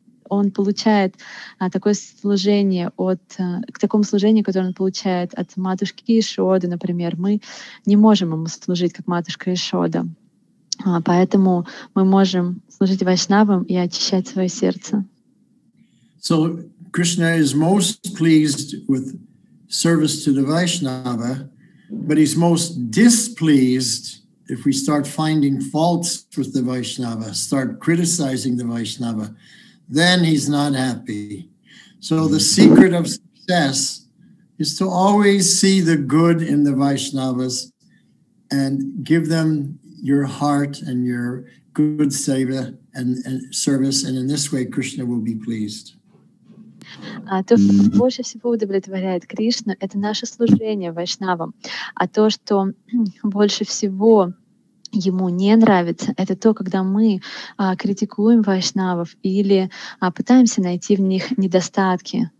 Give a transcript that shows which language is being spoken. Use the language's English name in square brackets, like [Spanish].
[Russian] Он получает такое служение от, к такому служению, которое он получает от матушки Ишоды, например. Мы не можем ему служить, как матушка Ишода. Поэтому мы можем служить вайшнавам и очищать свое сердце. [English] So, Krishna is most pleased with service to the Vaishnava. But he's most displeased if we start finding faults with the Vaishnava, start criticizing the Vaishnava, then he's not happy. So the secret of success is to always see the good in the Vaishnavas and give them your heart and your good seva and service. And in this way, Krishna will be pleased. [Russian] То, что больше всего удовлетворяет Кришну, это наше служение вайшнавам. А то, что больше всего ему не нравится, это то, когда мы критикуем вайшнавов или пытаемся найти в них недостатки.